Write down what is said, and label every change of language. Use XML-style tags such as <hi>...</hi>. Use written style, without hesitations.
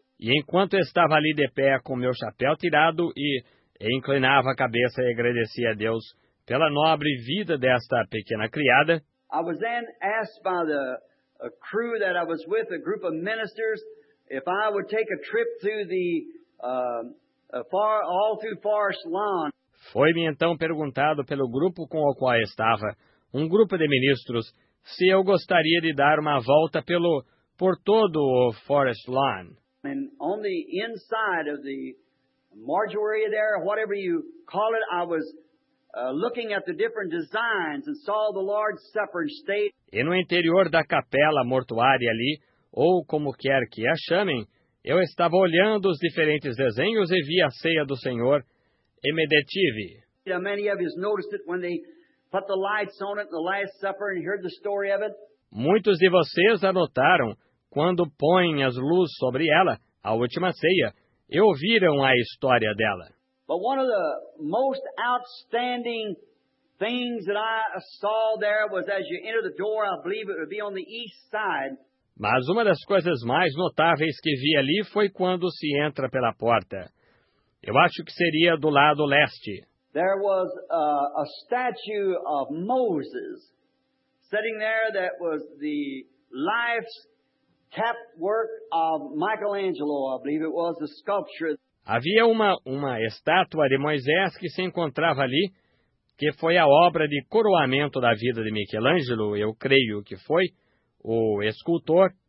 <pt>E enquanto estava ali de pé com meu chapéu tirado e inclinava a cabeça e agradecia a Deus pela nobre vida desta pequena criada.</pt> <en>I was then asked by the crew that I was with, a group of ministers, if I would take a trip through the all through Forest Lawn.</en> <pt>Foi-me então perguntado pelo grupo com o qual estava, um grupo de ministros, se eu gostaria de dar uma volta pelo por todo o Forest Lawn.</pt> <en>And on the inside of the mortuary there, whatever you call it, I was looking at the different designs and saw the Lord's Supper and state.</en> <pt>E no interior da capela mortuária ali, ou como quer que a chamem, eu estava olhando os diferentes desenhos e vi a ceia do Senhor e me detive.</pt> <en>Many of you noticed it when they put the lights on it, the Last Supper, and heard the story of it.</en> <pt>Muitos de vocês anotaram quando põem as luzes sobre ela, a última ceia, e ouviram a história dela.</pt> <en>But one of the most outstanding things that I saw there was as you enter the door, I believe it would be on the east side.</en> <pt>Mas uma das coisas mais notáveis que vi ali foi quando se entra pela porta. Eu acho que seria do lado leste.</pt> <en>There was a statue of Moses sitting there that was the life's cap work of Michelangelo, I believe it was the sculpture.</en> <pt>Havia uma estátua de Moisés que se encontrava ali, que foi a obra de coroamento da vida de Michelangelo, eu creio que foi, o escultor.</pt>